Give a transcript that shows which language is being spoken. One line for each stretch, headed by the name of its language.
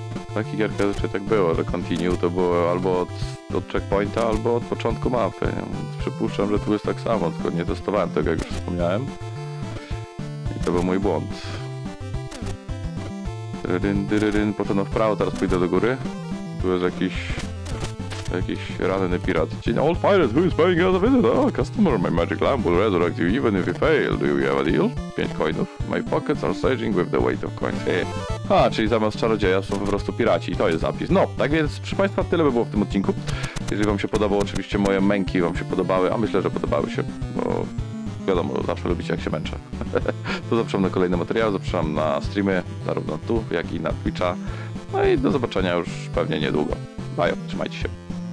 Polish: W takich gierkach zazwyczaj tak było, że continue to było albo od checkpointa, albo od początku mapy. Przypuszczam, że tu jest tak samo, tylko nie testowałem tego, jak już wspomniałem. I to był mój błąd. Ryryn, dyryryn, poszedłem w prawo, teraz pójdę do góry. Tu jest jakiś ranny pirat. Dzień,
English: old pirate, who is paying us a visit? Oh, customer, my magic lamp will resurrect you even if you fail. Do you have a deal? 5 coinów. My pockets are surging with the weight of coins. Hey.
Polish: A, czyli zamiast czarodzieja są po prostu piraci i to jest zapis. No, tak więc, proszę Państwa, tyle by było w tym odcinku. Jeżeli Wam się podobało, oczywiście moje męki Wam się podobały, a myślę, że podobały się, bo wiadomo, zawsze lubicie, jak się męczę. To zapraszam na kolejne materiały, zapraszam na streamy, zarówno tu, jak i na Twitcha. No i do zobaczenia już pewnie niedługo. Bye, trzymajcie się.